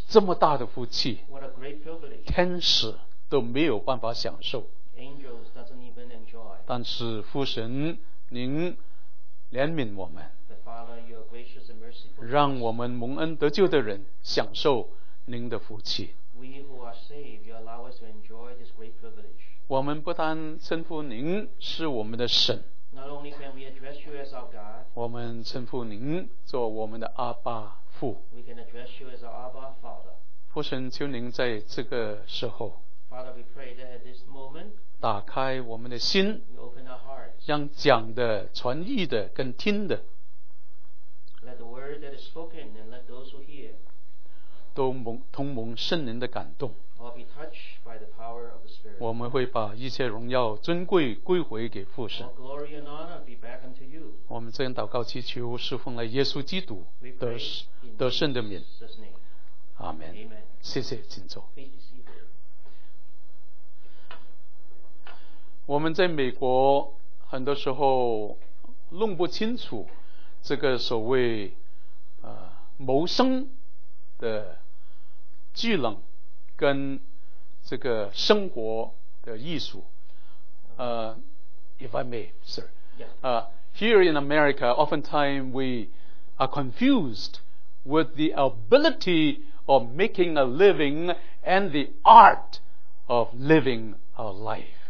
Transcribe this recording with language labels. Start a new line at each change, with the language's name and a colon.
Chinese: 这么大的福气。
English: What a great privilege.
Chinese: 天使都没有办法享受。
English: Angels doesn't even enjoy.
Chinese: 但是父神，您怜悯我们，
English: the Father, you are gracious and merciful.
Chinese: 让我们蒙恩得救的人享受您的福气。
English: We who are saved, you allow us to enjoy this great privilege.
Chinese: 我们不单称呼您是我们的神，
English: not only can we address you as our God,
Chinese: 我们称呼您做我们的阿爸父。
English: We can address you as our Abba Father.
Chinese: 父神，求您在这个时候。
English: Father, we pray that at this moment,
Chinese: 打开我们的心，
English: you open our hearts,
Chinese: 让讲的、传译的跟听的，
English: let the word that is spoken and let those who hear,
Chinese: 都蒙同蒙圣灵的感动，
English: all be touched by the power of the Spirit.
Chinese: 我们会把一切荣耀尊贵归回给父神。
English: All glory and honor be back unto you.
Chinese: 我们这样祷告祈求是奉了耶稣基督得胜的名。
English: Amen.
Chinese: 谢谢，请坐。我们在美国很多时候弄不清楚这个所谓谋生的技能跟这个生活的艺术。
English: If I may, sir. Here in America, oftentimes we are confused with the ability of making a living and the art of living our life.